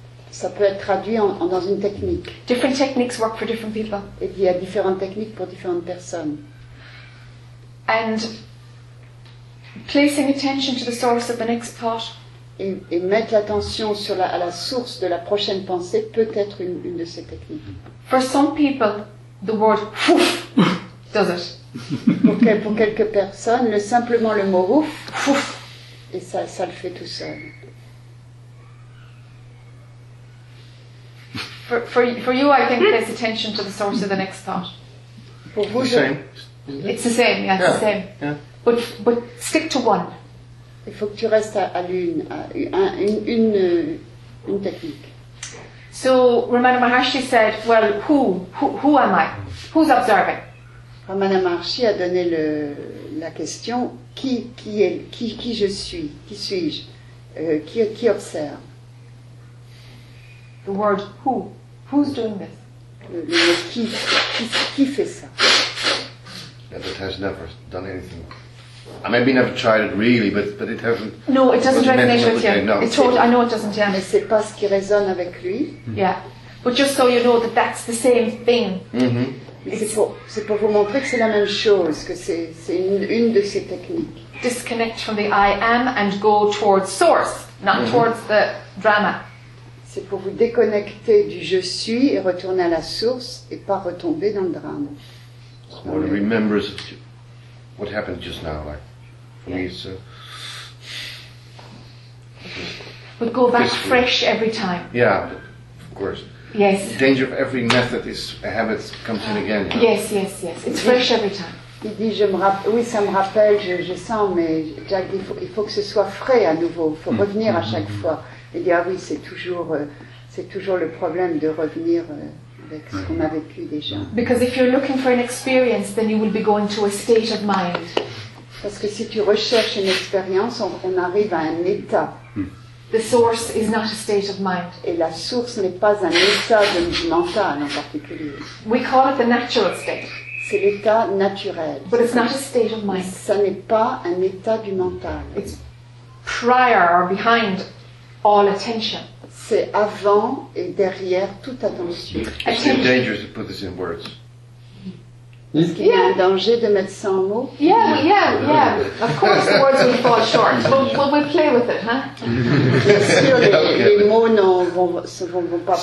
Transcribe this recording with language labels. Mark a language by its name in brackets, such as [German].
[French] Ça peut être traduit dans une technique. [English] Different techniques work for different people. [French] Et il y a différentes techniques pour différentes personnes. [English] And placing attention to the source of the next thought. [French] Et mettre l'attention à la source de la prochaine pensée peut être une de ces techniques. [English] For some people, the word "fouf" does it. [French] Pour quelques personnes, simplement le mot "ouf", "fouf", et ça le fait tout seul. [English] For you, I think there's attention to the source of the next thought. [French] Pour vous, [English] it's the same. Yeah, it's the same. Yeah. But stick to one. [French] Il faut que tu restes à l'une, une technique. [English] So Ramana Maharshi said, well, who am I? Who's observing? [French] Ramana Maharshi a donné la question, qui je suis? Qui suis-je? Qui observe? [English] The word who? Who's doing this? [French] Qui fait ça? [English] That has never done anything. I maybe never tried it really, but it hasn't. No, it doesn't resonate with you. No, it's totally. I know it doesn't. Yeah, [French] mais c'est pas ce qui résonne avec lui. [English] Yeah, But just so you know that that's the same thing. Mm-hmm. [French] C'est pour vous montrer que c'est la même chose, que c'est une de ces techniques. [English] Disconnect from the I am and go towards source, not mm-hmm. towards the drama. [French] C'est pour vous déconnecter du je suis et retourner à la source et pas retomber dans le drame. [English] Someone remembers what happened just now, like, for me it's But go back physical. Fresh every time. Yeah, of course. Yes. The danger of every method is a habit comes in again. You know? Yes, yes, yes. It's fresh every time. [French] Il dit, ça me rappelle, je sens, mais Jack dit, il faut que ce soit frais à nouveau, il faut revenir à chaque fois. Il dit, ah oui, c'est toujours le problème de revenir avec ce qu'on a vécu déjà. [English] Because if you're looking for an experience, then you will be going to a state of mind. [French] Parce que si tu recherches une expérience, on arrive à un état. [English] The source is not a state of mind. [French] Et la source n'est pas un état de mental en particulier. [English] We call it the natural state. [French] C'est l'état naturel. [English] But it's not a state of mind. [French] Ça n'est pas un état du mental. [English] It's prior or behind all attention. [French] C'est avant et derrière toute attention. [English] It's too dangerous to put this in words. [French] Est-ce qu'il y a un danger de mettre ça en mots? [English] Yeah. Of course, the words will fall short. But we'll play with it, huh? [French] Bien sûr, les mots ne vont pas marcher.